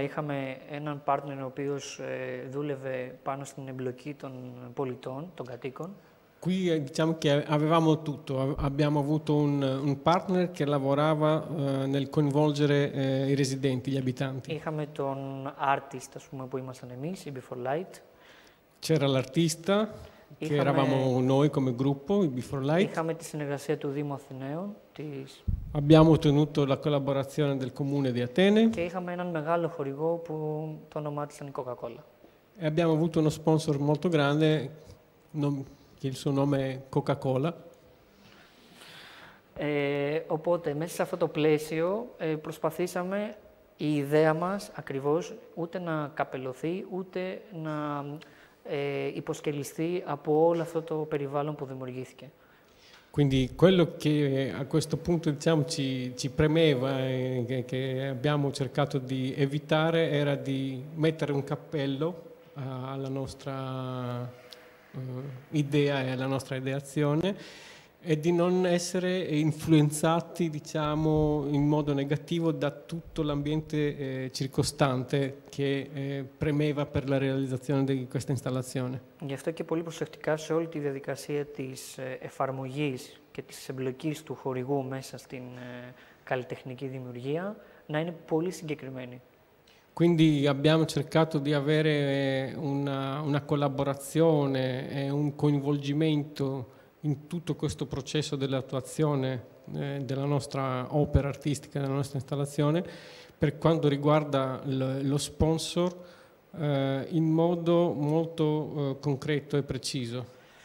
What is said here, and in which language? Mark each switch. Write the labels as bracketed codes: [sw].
[el] Είχαμε έναν partner ο οποίος δούλευε πάνω στην εμπλοκή των πολιτών, των κατοίκων. [it] Qui diciamo che avevamo tutto. Abbiamo avuto un partner che lavorava nel coinvolgere i residenti, gli abitanti. [el] Είχαμε τον artist, ας πούμε, που ήμασταν εμείς, η Before Light. [it] C'era l'artista, che eravamo noi come gruppo, i Before Light. [el] Είχαμε τη συνεργασία του Δήμου Αθηναίων, της. [it] Abbiamo ottenuto la collaborazione del Comune di Atene. [el] Και είχαμε έναν μεγάλο χορηγό που το όνομά της ήταν η Coca-Cola. [it] E abbiamo avuto uno sponsor molto grande, che il suo nome è Coca-Cola. [el] Οπότε, μέσα σε αυτό το πλαίσιο, προσπαθήσαμε η ιδέα μας ακριβώς ούτε να καπελωθεί, ούτε να υποσκελιστεί από όλο αυτό το περιβάλλον που δημιουργήθηκε. [it] Quindi quello che a questo punto diciamo, ci premeva e che abbiamo cercato di evitare era di mettere un cappello alla nostra idea e alla nostra ideazione e di non essere influenzati diciamo, in modo negativo da tutto l'ambiente circostante che premeva per la realizzazione di questa installazione. [el] Γι' αυτό και πολύ προσεκτικά σε όλη τη διαδικασία της εφαρμογής και της εμπλοκής του χορηγού μέσα στην καλλιτεχνική δημιουργία να είναι πολύ συγκεκριμένη. [it] Quindi abbiamo cercato di avere una collaborazione e un coinvolgimento in tutto questo processo dell'attuazione della nostra opera artistica, della nostra installazione, per quanto riguarda lo sponsor, in modo molto concreto e preciso.